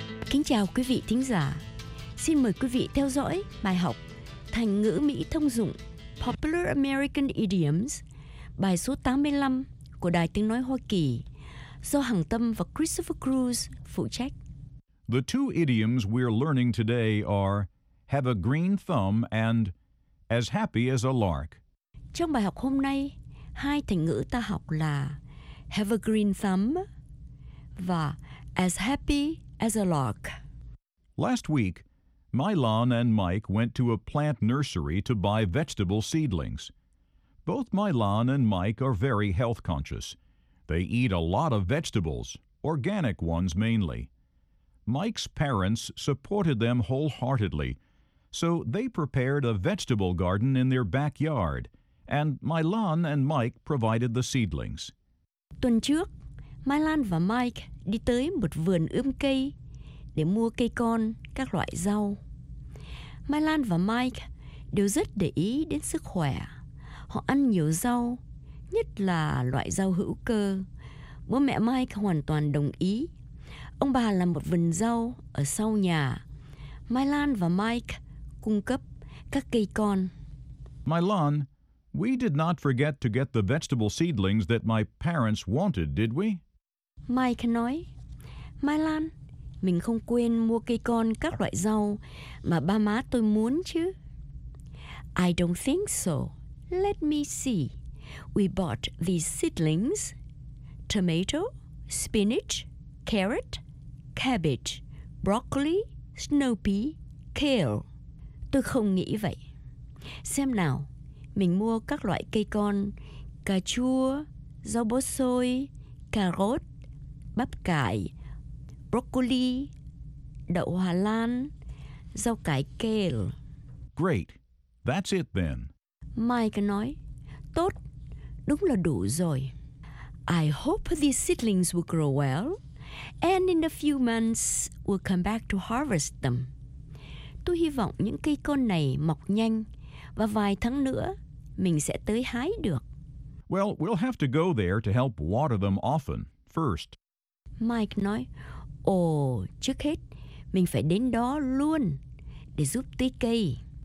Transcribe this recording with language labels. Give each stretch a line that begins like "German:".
Vietnamese: Kính chào quý vị thính giả. Xin mời quý vị theo dõi bài học thành ngữ Mỹ thông dụng
English: Popular American Idioms,
Vietnamese: bài số 85 của Đài Tiếng Nói Hoa Kỳ, do Hằng Tâm và Christopher Cruz phụ trách.
English: The two idioms we're learning today are have a green thumb and as happy as a lark.
Vietnamese: Trong bài học hôm nay, hai thành ngữ ta học là
English: have a green thumb
Vietnamese: và
English: as happy as a lark. Last week, Mylon and Mike went to a plant nursery to buy vegetable seedlings. Both Mylon and Mike are very health conscious. They eat a lot of vegetables, organic ones mainly. Mike's parents supported them wholeheartedly. So they prepared a vegetable garden in their backyard, and Mylon and Mike provided the seedlings.
Vietnamese: Tuần trước, Mylon và Mike đi tới một vườn ươm cây để mua cây con, các loại rau. Mylon và Mike đều rất để ý đến sức khỏe. Họ ăn nhiều rau, nhất là loại rau hữu cơ. Bố mẹ Mike hoàn toàn đồng ý. Ông bà làm một vườn rau ở sau nhà. Mylan và Mike cung cấp các cây con.
English: Mylan, we did not forget to get the vegetable seedlings that my parents wanted, did we?
Vietnamese: Mike nói, Mylan, mình không quên mua cây con các loại rau mà ba má tôi muốn chứ.
English: I don't think so. Let me see. We bought these seedlings, tomato, spinach, carrot, cabbage, broccoli, snow pea, kale.
Vietnamese: Tôi không nghĩ vậy. Xem nào, mình mua các loại cây con, cà chua, rau bó xôi, cà rốt, bắp cải, broccoli, đậu Hà Lan, rau cải kale.
English: Great. That's it then.
Vietnamese: Mike nói, tốt, đúng là đủ rồi.
English: I hope these seedlings will grow well, and in a few months we'll come back to harvest them.
Vietnamese: Tôi hy vọng những cây con này mọc nhanh, và vài tháng nữa mình sẽ tới hái được.
English: Well, we'll have to go there to help water them often, first.
Vietnamese: Mike nói, trước hết, mình phải đến đó luôn, để giúp tưới cây.